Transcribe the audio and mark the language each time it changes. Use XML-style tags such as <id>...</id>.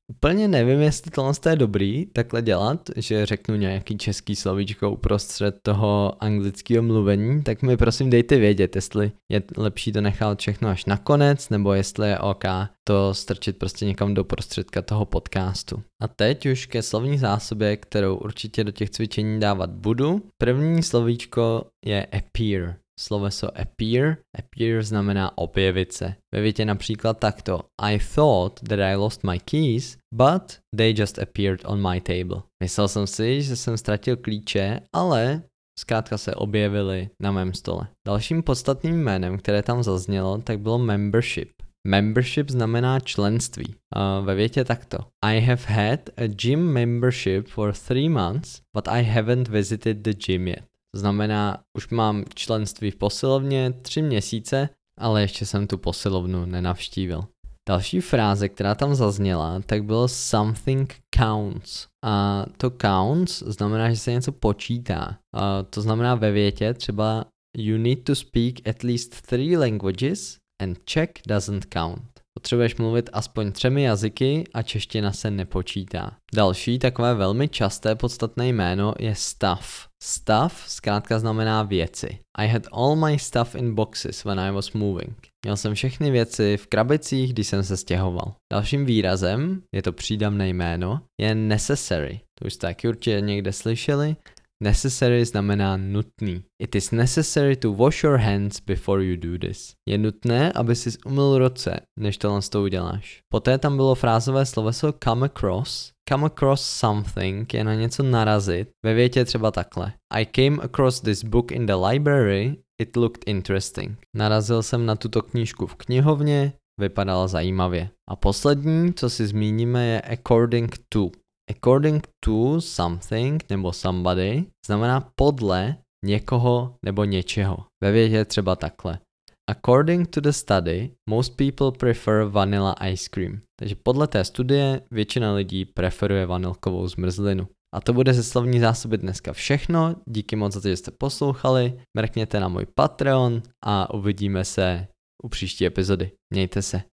<cs>Úplně nevím, jestli tohle je dobrý takhle dělat, že řeknu nějaký český slovíčko uprostřed toho anglického mluvení, tak mi prosím dejte vědět, jestli je lepší to nechat všechno až nakonec, nebo jestli je OK to strčit prostě někam do prostředka toho podcastu. A teď už ke slovní zásobě, kterou určitě do těch cvičení dávat budu. První slovíčko je appear. Sloveso appear. Appear znamená objevit se. Ve větě například takto.</cs> <en>I thought that I lost my keys, but they just appeared on my table.</en> <cs>Myslel jsem si, že jsem ztratil klíče, ale zkrátka se objevily na mém stole. Dalším podstatným jménem, které tam zaznělo, tak bylo membership. Membership znamená členství. Ve větě takto.</cs> <en>I have had a gym membership for 3 months, but I haven't visited the gym yet.</en> <cs>Znamená, už mám členství v posilovně 3 měsíce, ale ještě jsem tu posilovnu nenavštívil. Další fráze, která tam zazněla, tak bylo</cs> <en>something counts.</en> <cs>A to counts znamená, že se něco počítá. A to znamená ve větě třeba</cs> <en>you need to speak at least 3 languages and Czech doesn't count.</en> <cs>Potřebuješ mluvit aspoň 3 jazyky a čeština se nepočítá. Další takové velmi časté podstatné jméno je stuff.</cs> <en>Stuff</en> <cs>zkrátka znamená věci.</cs> <en>I had all my stuff in boxes when I was moving.</en> <cs>Měl jsem všechny věci v krabicích, když jsem se stěhoval. Dalším výrazem, je to přídavné jméno, je necessary. To už jste taky určitě někde slyšeli. Necessary znamená nutný.</cs> <en>It is necessary to wash your hands before you do this.</en> <cs>Je nutné, aby si umyl ruce, než tohle z toho uděláš. Poté tam bylo frázové sloveso come across.</cs> <en>Come across something</en> <cs>je na něco narazit. Ve větě třeba takhle.</cs> <en>I came across this book in the library. It looked interesting.</en> <cs>Narazil jsem na tuto knížku v knihovně. Vypadala zajímavě. A poslední, co si zmíníme, je according to.</cs> <en>according to something</en> <cs>nebo</cs> <en>somebody</en> <cs>znamená podle někoho nebo něčeho. Ve větě třeba takhle.</cs> <en>According to the study, most people prefer vanilla ice cream.</en> <cs>Takže podle té studie většina lidí preferuje vanilkovou zmrzlinu. A to bude ze slovní zásoby dneska všechno. Díky moc za to, že jste poslouchali. Mrkněte na můj Patreon a uvidíme se u příští epizody. Mějte se.</cs>